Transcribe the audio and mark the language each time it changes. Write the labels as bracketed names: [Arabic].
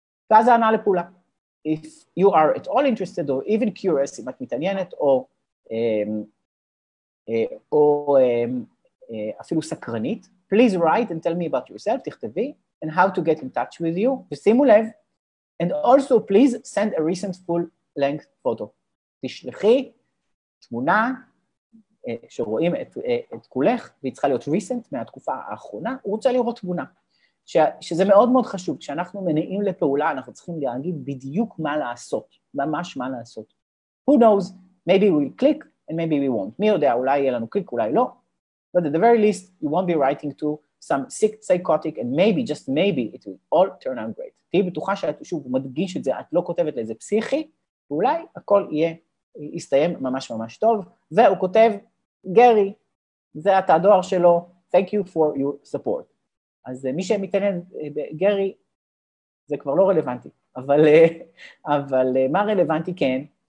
[Hebrew] ואז הענה לפעולה. [English] If you are at all interested or even curious, [Hebrew] אם את מתעניינת, או, או אפילו סקרנית, [English] please write and tell me about yourself, תכתבי, and how to get in touch with you, [Hebrew] ושימו לב, [English] and also please send a recent full length photo. [Hebrew] תשלחי תמונה שרואים את, את כולך, והיא צריכה להיות recent מהתקופה האחרונה, הוא רוצה לראות תמונה. שזה מאוד מאוד חשוב, כשאנחנו מניעים לפעולה, אנחנו צריכים להגיד בדיוק מה לעשות, ממש מה לעשות. [English] Who knows, maybe we'll click and maybe we won't. [Hebrew] מי יודע, אולי יהיה לנו קליק, אולי לא. [English] But at the very least, you won't be writing to some sick, psychotic, and maybe, just maybe, it will all turn out great. [Hebrew] תהיה בטוחה שאת שוב מדגיש את זה, את לא כותבת לאיזה פסיכי, ואולי הכל יהיה, יסתיים ממש ממש טוב. והוא כותב, גרי, זה את הדואר שלו, [English] thank you for your support. [Hebrew] אז מי שמתעניין בגרי, זה כבר לא רלוונטי, אבל, אבל מה רלוונטי כן?